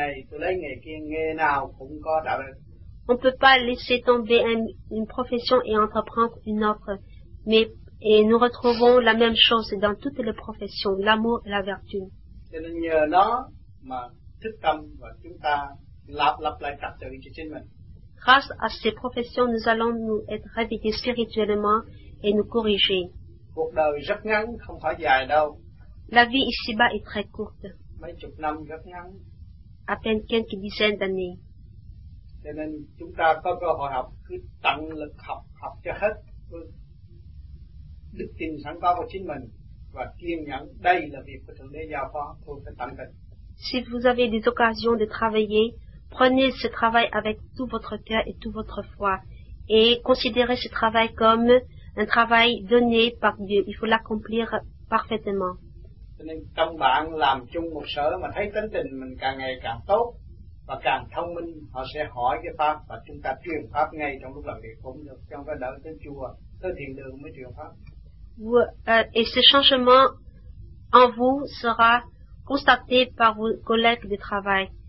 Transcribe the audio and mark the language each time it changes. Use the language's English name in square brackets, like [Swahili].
[French] On ne peut pas laisser tomber une profession et entreprendre une autre, et nous retrouvons la même chose dans toutes les professions, l'amour et la vertu. Grâce à ces professions, nous allons nous être réveillés spirituellement et nous corriger. [Vietnamese] Cuộc đời rất ngắn, không phải dài đâu. [French] La vie ici-bas est très courte. [Vietnamese] Mấy chục năm rất ngắn. [French] À peine quelques dizaines d'années. [Vietnamese] Cho nên chúng ta có cơ hội học, cứ tận lực học, học cho hết. Đức tin sẵn có của chính mình và kiên nhẫn, đây là việc của Thượng Đế giao phó, thôi phải tận tình. [French] Si vous avez des occasions de travailler, prenez ce travail avec tout votre cœur et toute votre foi et considérez ce travail comme un travail donné par Dieu, il faut l'accomplir parfaitement. Et ce changement en vous sera constaté par vos collègues de travail.